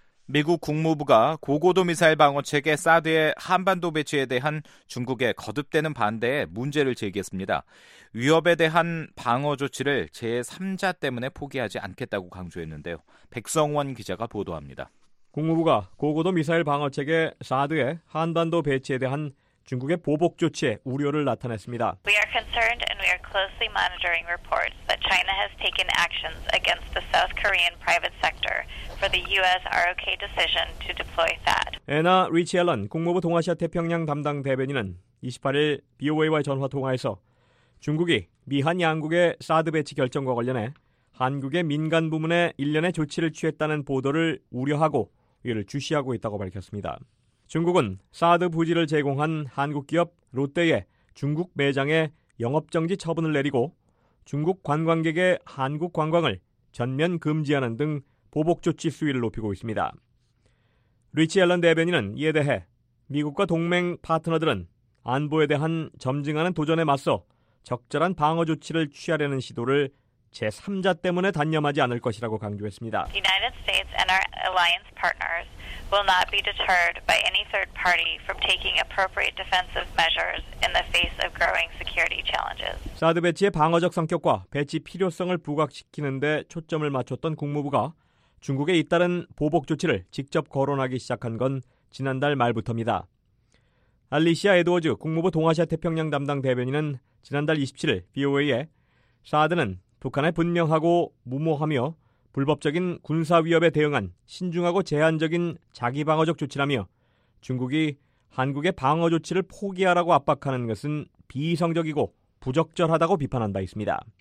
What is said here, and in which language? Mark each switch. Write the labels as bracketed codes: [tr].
[ko] 미국 국무부가 고고도 미사일 방어 체계 사드의 한반도 배치에 대한 중국의 거듭되는 반대에 문제를 제기했습니다. 위협에 대한 방어 조치를 제3자 때문에 포기하지 않겠다고 강조했는데요. 백성원 기자가 보도합니다. 국무부가 고고도 미사일 방어 체계 사드의 한반도 배치에 대한 중국의 보복 조치에 우려를 나타냈습니다. [en] We are concerned and we are closely monitoring reports that China has taken actions against the South Korean private sector for the U.S. ROK decision to deploy THAAD. [ko] 애나 리치 앨런 국무부 동아시아 태평양 담당 대변인은 28일 BOA와 전화 통화에서 중국이 미한 양국의 사드 배치 결정과 관련해 한국의 민간 부문에 일련의 조치를 취했다는 보도를 우려하고 이를 주시하고 있다고 밝혔습니다. 중국은 사드 부지를 제공한 한국 기업 롯데의 중국 매장에 영업정지 처분을 내리고 중국 관광객의 한국 관광을 전면 금지하는 등 보복 조치 수위를 높이고 있습니다. 리치 앨런 대변인은 이에 대해 미국과 동맹 파트너들은 안보에 대한 점증하는 도전에 맞서 적절한 방어 조치를 취하려는 시도를 제3자 때문에 단념하지 않을 것이라고 강조했습니다. [en] The United States and our alliance partners will not be deterred by any third party from taking appropriate defensive measures in the face of growing security challenges. [ko] 사드 배치의 방어적 성격과 배치 필요성을 부각시키는 데 초점을 맞췄던 국무부가 중국의 잇따른 보복 조치를 직접 거론하기 시작한 건 지난달 말부터입니다. 알리시아 에드워즈 국무부 동아시아 태평양 담당 대변인은 지난달 27일 BOA에 사드는 북한의 분명하고 무모하며 불법적인 군사 위협에 대응한 신중하고 제한적인 자기 방어적 조치라며 중국이 한국의 방어 조치를 포기하라고 압박하는 것은 비이성적이고 부적절하다고 비판한 바 있습니다.